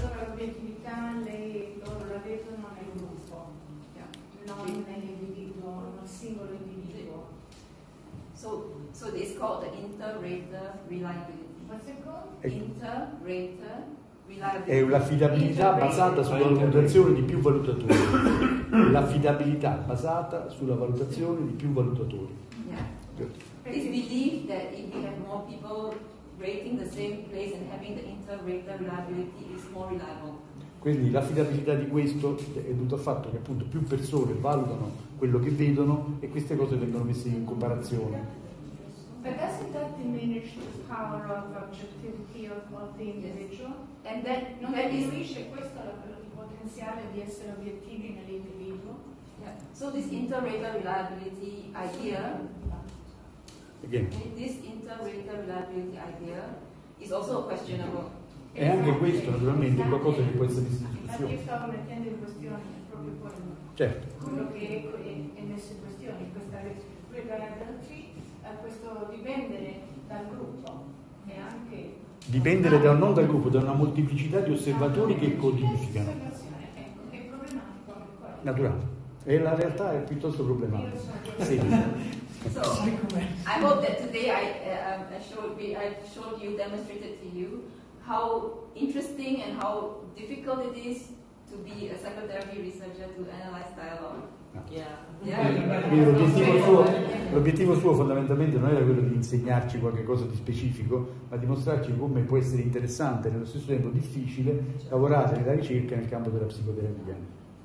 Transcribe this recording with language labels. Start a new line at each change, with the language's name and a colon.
Italian: Allora, l'obiettività, loro la vedono nel gruppo, non singolo individuo.
English: So it's called the inter-rater reliability. What's it called? Inter-rater reliability.
Italian: È un'affidabilità basata sulla valutazione di più valutatori. L'affidabilità basata sulla valutazione di più valutatori.
English: This belief that if we have more people rating the same place and having the inter-rater reliability is more reliable.
Italian: Quindi l'affidabilità di questo è dovuta al fatto che appunto più persone valutano quello che vedono e queste cose vengono messe in comparazione.
English: But doesn't that diminish the power of objectivity of the individual? Yes. And that
Italian: diminuisce questo il potenziale di essere obiettivi nell'individuo.
English: Yeah. So this inter-rater reliability idea. Again. This inter-rater reliability idea is also questionable.
Italian: E anche questo naturalmente è qualcosa che può essere messo in discussione. Ma io stavo mettendo in questione proprio quello. Certo. Quello che è messo in questione, questa regolarity, questo dipendere dal gruppo e anche. Dipendere da, non dal gruppo, da una molteplicità di osservatori che codificano. Ecco, è problematico. Naturale. E la realtà è piuttosto problematica. Sì.
English: So, I hope that today I demonstrated to you how interesting and how difficult it is to be a psychotherapy researcher to analyze dialogue. Yeah.
Italian: L'obiettivo suo fondamentalmente non era quello di insegnarci qualche cosa di specifico, ma dimostrarci come può essere interessante e nello stesso tempo difficile lavorare nella ricerca nel campo della psicoterapia.